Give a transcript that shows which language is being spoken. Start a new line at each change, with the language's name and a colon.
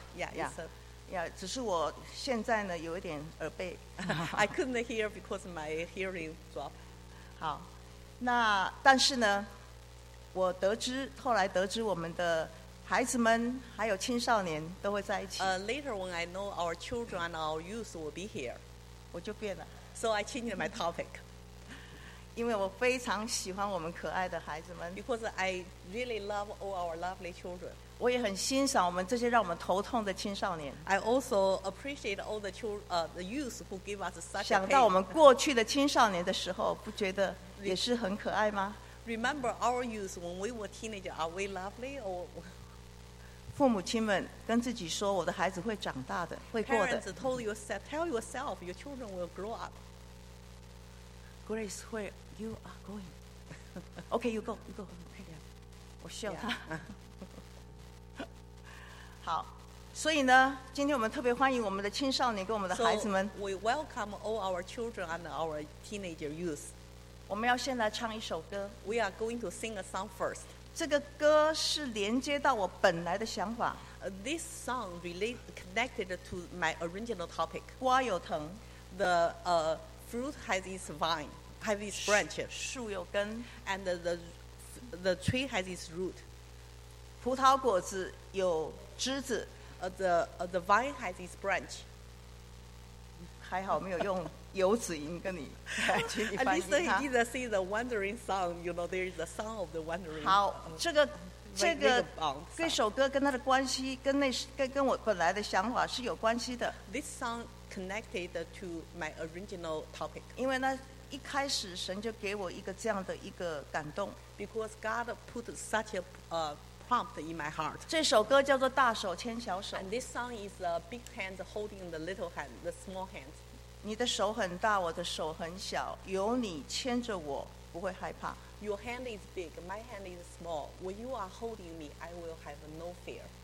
English: Yeah, yeah.
Chinese: 呀、yeah, ，只是我现在呢有一点耳背。
English: I couldn't hear because my hearing dropped.
Chinese: 好，那但是呢，我得知后来得知我们的孩子们还有青少年都会在一起。
English: Later when I know our children and our youth will be here,
Chinese: 我就变了。
English: So I changed my topic.
Chinese: 因为我非常喜欢我们可爱的孩子们。
English: Because I really love all our lovely children.
Chinese: 我也很欣赏我们这些让我们头痛的青少年。
English: I also appreciate all the children, the youth who give us such a pain.
Chinese: 想到我们过去的青少年的时候，不觉得也是很可爱吗
English: ？Remember our youth when we were teenager, are we lovely or?
Chinese: 父母亲们跟自己说，我的孩子会长大的，会过的。
English: Parents told yourself, tell yourself, your children will grow up. Grace, where you are going? Okay, you go, you go.
Chinese: 快点，我需要他。好，所以呢，今天我们特别欢迎我们的青少年跟我们的孩子们。
English: So, we welcome all our children and our teenager youth.
Chinese: 我们要先来唱一首歌。
English: We are going to sing a song first.
Chinese: 这个歌是连接到我本来的想法。
English: This song related connected to my original topic.
Chinese: 瓜有藤
English: ，the fruit has its vine, has its branch.
Chinese: 树有根
English: ，and the tree has its root.
Chinese: 葡萄果子有。枝子
English: the vine has its branch.
Chinese: 还好没有用游子音跟你
English: At least he did see the wandering song. You know, there is a song of the wandering.
Chinese: 好，这个这首歌跟它的关系，跟我本来的想法是有关系的。
English: This song connected to my original topic.
Chinese: 因为呢，一开始神就给我一个这样的一个感动。
English: Because God put such a prompt in my heart.
Chinese: 这首歌叫做《大手牵小手》。
English: And this song is a big hand holding the little hand, the small hand.
Chinese: 你的手很大，我的手很小，有你牵着我，不会害怕。
English: Your hand is big, my hand is small. When you are holding me, I will have no fear.